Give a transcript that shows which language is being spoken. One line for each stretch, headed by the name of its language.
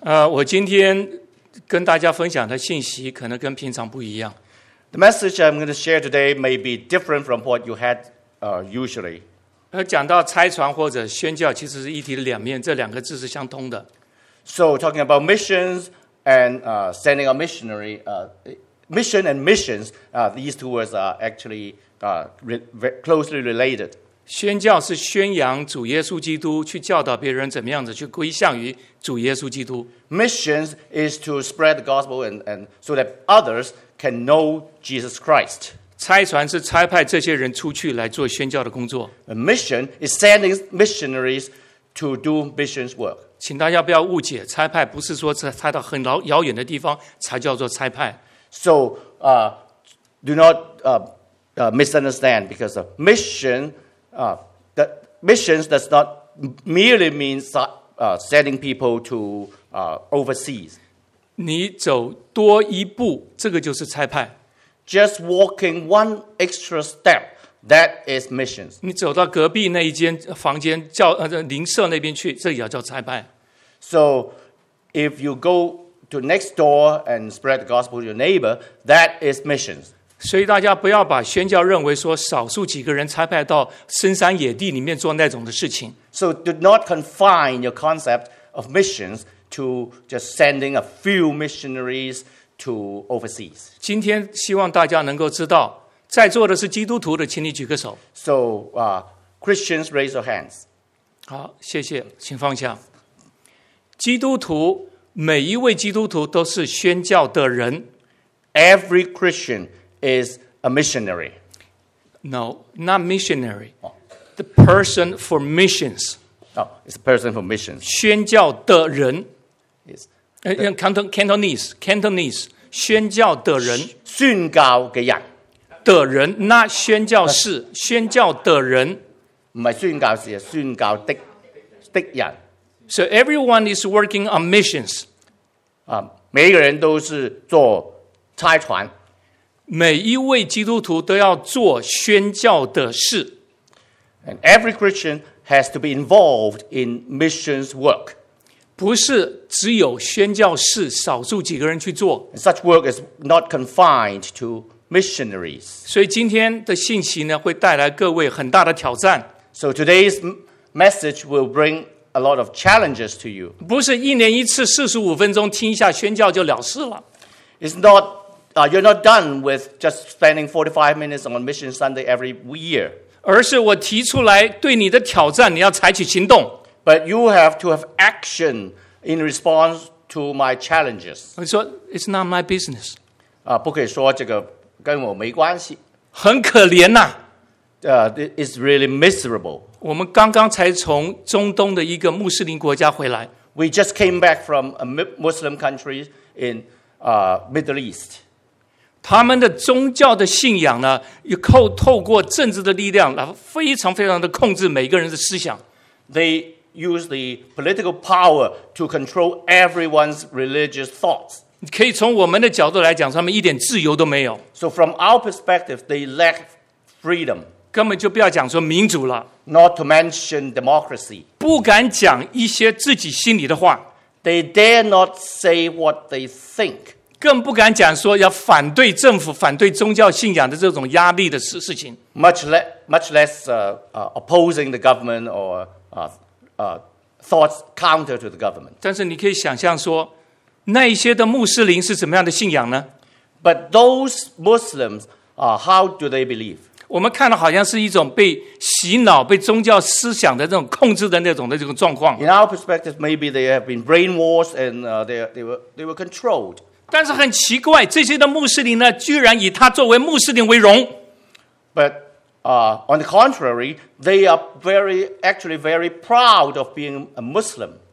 Chinese: 我今天跟大家分享的信息可能跟平常不一样。
English: The message I'm going to share today may be different from what you had usually.
Chinese: 讲到差传或者宣教，其实是一体的两面，这两个字是相通的。
English: So talking about missions and sending a missionary, mission and missions, these two words are actually closely related.
Chinese: 宣教是宣扬主耶稣基督，去教导别人怎么样子去归向于主耶稣基督。
English: Missions is to spread the gospel and so that others can know Jesus Christ.
Chinese: 差传是差派这些人出去来做宣教的工作。
English: A mission is sending missionaries to do missions work.
Chinese: 请大家不要误解，差派不是说差到很遥远的地方才叫做差派。
English: So, do not misunderstand because a mission. That missions does not merely mean sending people to overseas.
Chinese: 你走多一步，这个就是差派。
English: Just walking one extra step, that is missions.
Chinese: 你走到隔壁那一间房间叫邻舍那边去，这也要叫差派。
English: So, if you go to next door and spread the gospel to your neighbor, that is missions.
Chinese: 所以大家不要把宣教认为说少数几个人差派到深山野地里面做那种的事情。
English: So, do not confine your concept of missions to just sending a few missionaries to overseas.
Chinese: 今天希望大家能够知道，在座的是基督徒的，请你举个手。
English: So, Christians, raise your hands.
Chinese: 好，谢谢，请放下。基督徒，每一位基督徒都是宣教的人。
English: Every Christian is a missionary. No, not missionary. The person for missions. Oh, it's a person for missions.
Chinese: 宣教的人。
English: Yes. Cantonese, Cantonese,
Chinese: 宣教的人。宣教的人。的人，那宣教士，宣教的人。不是宣教士，宣教的人。
English: So everyone is working on missions.
Chinese: 每一个人都是做差传。每一位基督徒都要做宣教的事。
English: And every Christian has to be involved in missions work.
Chinese: 不是只有宣教士少数几个人去做。
English: And such work is not confined to missionaries.
Chinese: 所以今天的信息呢，会带来各位很大的挑战。
English: So today's message will bring a lot of challenges to you.
Chinese: 不是一年一次45分钟听一下宣教就了事了。
English: It's not, you're not done with just spending 45 minutes on Mission Sunday every year.
Chinese: 而是我提出来对你的挑战，你要采取行动。
English: But you have to have action in response to my challenges.
Chinese: 你说
English: it's not my business.
Chinese: 不可以说这个跟我没关系。很可怜啊。
English: It's really miserable.
Chinese: 我们刚刚才从中东的一个穆斯林国家回来。
English: We just came back from a Muslim country in Middle East.
Chinese: 他们的宗教的信仰呢，也透过政治的力量，非常非常的控制每个人的思想。
English: They use the political power to control everyone's religious thoughts.
Chinese: 可以从我们的角度来讲，他们一点自由都没有。
English: So from our perspective, they lack freedom.
Chinese: 根本就不要讲说民主了
English: ，Not to mention democracy，
Chinese: 不敢讲一些自己心里的话
English: ，They dare not say what they think，
Chinese: 更不敢讲说要反对政府、反对宗教信仰的这种压力的事情
English: ，much less opposing the government or thoughts counter to the government。
Chinese: 但是你可以想象说，那一些的穆斯林是怎么样的信仰呢
English: ？But those Muslims, how do they believe？
Chinese: 我们看到好像是一种被洗脑、被宗教思想的这种控制的那种的这种状况。
English: In our perspective, maybe they have been brainwashed and they were controlled.
Chinese: 但是很奇怪，这些的穆斯林呢，居然以他作为穆斯林为荣。
English: But on the contrary, they are actually very proud of being a Muslim.